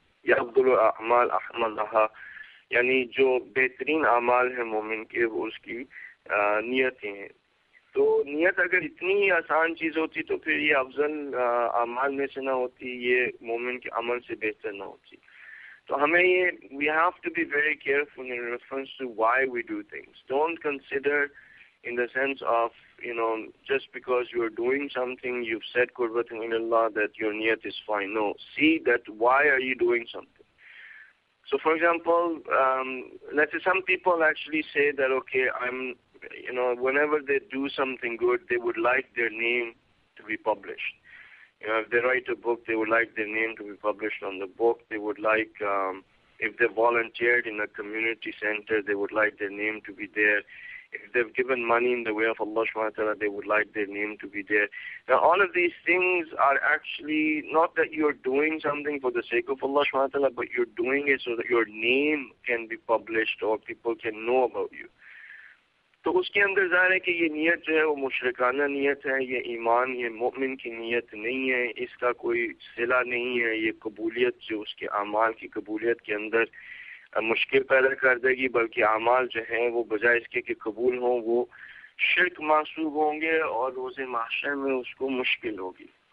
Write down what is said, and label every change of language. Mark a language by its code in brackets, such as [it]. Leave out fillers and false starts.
[ar] یا عبد الاعمال احم اللہ, [ur] یعنی جو بہترین اعمال ہیں مومن کے وہ اس کی نیتیں ہیں. تو نیت اگر اتنی آسان چیز ہوتی تو پھر یہ افضل اعمال میں سے نہ ہوتی, یہ مومن کے عمل سے بہتر نہ ہوتی. تو ہمیں یہ [en] we have to be very careful in reference to why we do things. Don't consider in the sense of, you know, just because you are doing something, you've said qurbatan lillah, that your niyat is fine. No, see that why are you doing something. So for example, let's say some people actually say that, okay, I'm, you know, whenever they do something good, they would like their name to be published. You know, if they write a book, they would like their name to be published on the book. They would like, if they volunteered in a community center, they would like their name to be there. If they've given money in the way of Allah subhanahu wa ta'ala, they would like their name to be there. Now, all of these things are actually not that you're doing something for the sake of Allah subhanahu wa ta'ala, but you're doing it so that your name can be published or people can know about you. [ur] تو اس کے اندر ظاہر ہے کہ یہ نیت جو ہے وہ مشرکانہ نیت ہے, یہ ایمان, یہ مومن کی نیت نہیں ہے, اس کا کوئی صلہ نہیں ہے. یہ قبولیت جو اس کے اعمال کی قبولیت کے اندر مشکل پیدا کر دے گی, بلکہ اعمال جو ہیں وہ بجائے اس کے قبول ہوں وہ شرک محسوب ہوں گے اور روز محشر میں اس کو مشکل ہوگی.